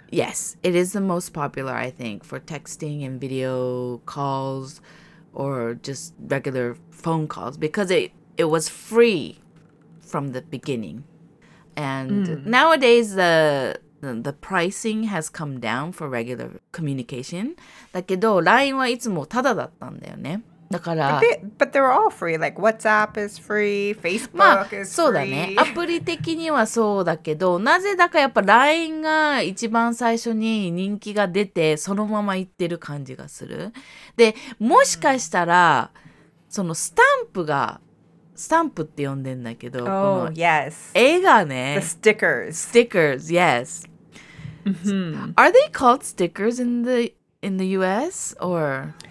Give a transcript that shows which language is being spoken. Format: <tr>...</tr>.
<en>Yes, it is the most popular, I think, for texting and video calls or just regular phone calls because it was free from the beginning. And nowadays, the pricing has come down for regular communication.</en> <ja>だけど、LINE はいつもタダだったんだよね。だから、</ja> <en>but they're all free. Like WhatsApp is free, Facebook is free.</en> <ja>まあそうだね。アプリ的にはそうだけど、なぜだかやっぱ LINE が一番最初に人気が出てそのまま行ってる感じがする。で、もしかしたら、そのスタンプが、スタンプって呼んでんだけど、この絵がね、</ja> <en>the stickers. Stickers, yes. Are they called stickers in the US or...?</en>